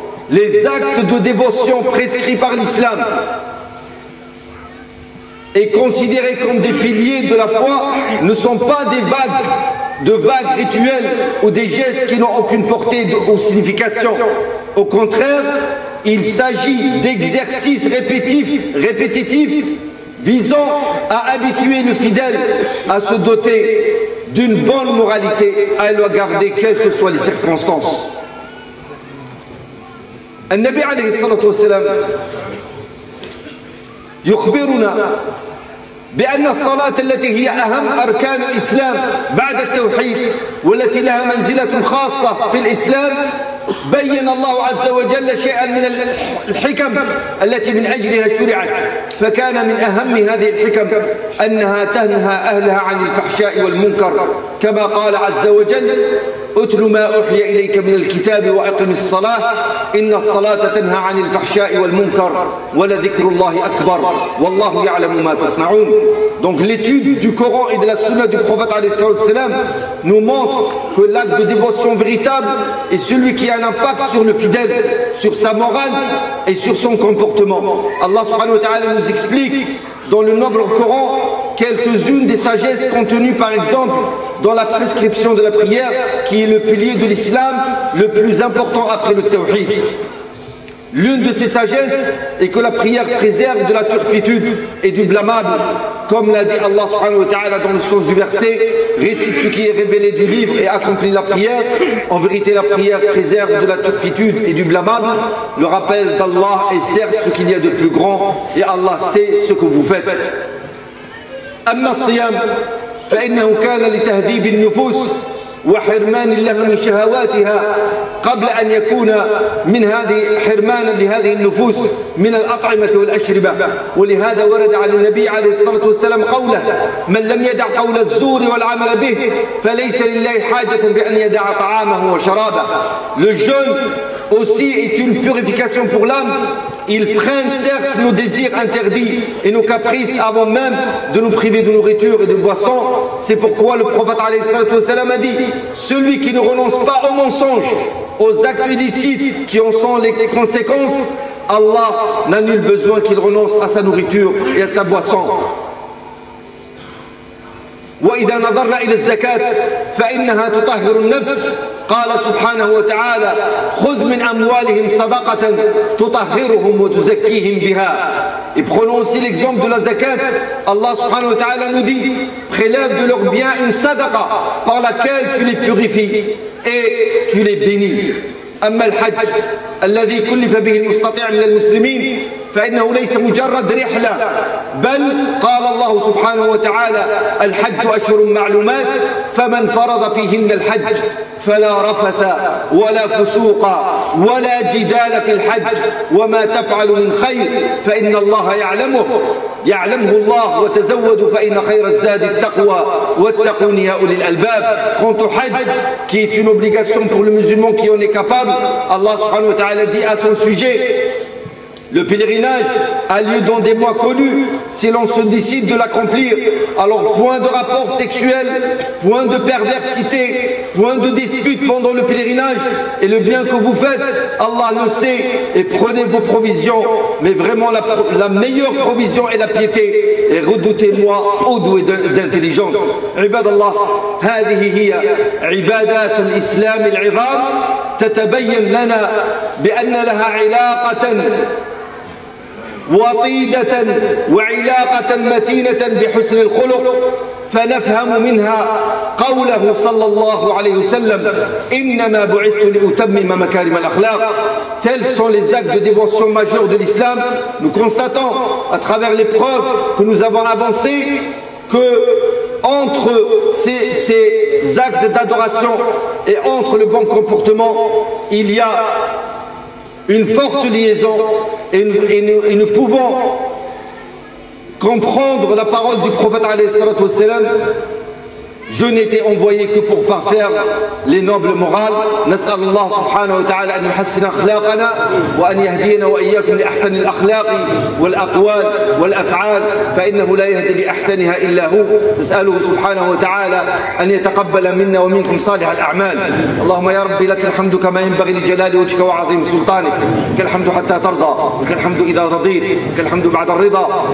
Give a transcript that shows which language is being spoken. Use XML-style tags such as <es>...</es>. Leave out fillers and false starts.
<fr>Les actes de dévotion prescrits par l'islam et considérés comme des piliers de la foi ne sont pas de vagues rituels ou des gestes qui n'ont aucune portée ou signification. Au contraire, il s'agit d'exercices répétitifs visant à habituer le fidèle à se doter d'une bonne moralité, à la garder quelles que soient les circonstances.</fr> <ar>Le Nabi alayhi salatu wasalam yukhbiruna بأن الصلاة التي هي أهم أركان الإسلام بعد التوحيد والتي لها منزلة خاصة في الإسلام، بين الله عز وجل شيئا من الحكم التي من أجلها شرعت، فكان من أهم هذه الحكم أنها تنهى أهلها عن الفحشاء والمنكر، كما قال عز وجل: أتل ما أوحي إليك من الكتاب وأقم الصلاة إن الصلاة تنهى عن الفحشاء والمنكر ولذكر الله أكبر والله يعلم ما تصنعون.</ar> <fr>Donc l'étude du Coran et de la Sunna du prophète alayhi salam nous montre que l'acte de dévotion véritable est celui qui a un impact sur le fidèle, sur sa morale et sur son comportement. Allah subhanahu wa ta'ala nous explique dans le noble Coran quelques-unes des sagesses contenues par exemple dans la prescription de la prière, qui est le pilier de l'islam le plus important après le tawhid. L'une de ces sagesses est que la prière préserve de la turpitude et du blâmable, comme l'a dit Allah subhanahu wa ta'ala dans le sens du verset: récite ce qui est révélé du livre et accomplis la prière. En vérité, la prière préserve de la turpitude et du blâmable. Le rappel d'Allah est certes ce qu'il y a de plus grand, et Allah sait ce que vous faites.</fr> <ar>Amma siyam فإنه كان لتهذيب النفوس وحرمان لها من شهواتها قبل أن يكون من هذه حرمانا لهذه النفوس من الأطعمة والأشربة، ولهذا ورد على النبي عليه الصلاة والسلام قوله: من لم يدع قول الزور والعمل به فليس لله حاجة بأن يدع طعامه وشرابه.</ar> <fr>للجن aussi est une purification pour l'âme. Il freine certes nos désirs interdits et nos caprices avant même de nous priver de nourriture et de boisson. C'est pourquoi le prophète a dit: celui qui ne renonce pas au mensonge aux actes illicites qui en sont les conséquences, Allah n'a nul besoin qu'il renonce à sa nourriture et à sa boisson.</fr> <ar>وإذا نظرنا إلى الزكاة فإنها تطهر النفس قال سبحانه وتعالى خذ من أموالهم صدقة تطهرهم وتزكيهم بها.</ar> <fr>Et prenons aussi l'exemple de la zakat. Allah subhanahu wa ta'ala nous dit: prélève de leurs biens une sadaqa par laquelle tu les purifies et tu les bénis.</fr> <ar>أما الحج الذي كلف به المستطيع من المسلمين فإنه ليس مجرد رحلة بل قال الله سبحانه وتعالى الحج أشهر معلومات فمن فرض فيهن الحج فلا رفث ولا فسوق ولا جدال في الحج وما تفعل من خير فإن الله يعلمه يعلمه الله وتزود فإن خير الزاد التقوى واتقون يا أولي الألباب.</ar> <fr>Quant au حج qui est une obligation pour le musulman qui en est capable, Allah subhanahu wa ta'ala dit à son sujet: le pèlerinage a lieu dans des mois connus si l'on se décide de l'accomplir. Alors point de rapport sexuel, point de perversité, point de dispute pendant le pèlerinage. Et le bien que vous faites, Allah le sait, et prenez vos provisions. Mais vraiment la meilleure provision est la piété. Et redoutez-moi, ô doué d'intelligence.</fr> <ar>عباد الله, هذه هي عبادات الإسلام العظام تتبين لنا بأن لها علاقة وطيدة وعلاقة متينة بحسن الخلق فنفهم منها قوله صلى الله عليه وسلم إنما بعثت لأتمم مكارم الأخلاق.</ar> <fr>Tels sont les actes de dévotion majeurs de l'islam. Nous constatons à travers les preuves que nous avons avancées que entre ces actes d'adoration et entre le bon comportement, il y a une forte liaison, et nous pouvons comprendre la parole du prophète alayhi salatu wassalam: je n'étais envoyé que pour parfaire les nobles morales.</fr> <ar>نسأل الله سبحانه وتعالى أن يحسن أخلاقنا وأن يهدينا وإياكم لأحسن الأخلاق والأقوال والأفعال فإنه لا يهدي لأحسنها إلا هو. نسأله سبحانه وتعالى أن يتقبل منا ومنكم صالح الأعمال. اللهم يا ربي لك الحمد كما ينبغي لجلال وجهك وعظيم سلطانك، لك الحمد حتى ترضى، لك الحمد إذا رضيت، لك الحمد بعد الرضا.</ar>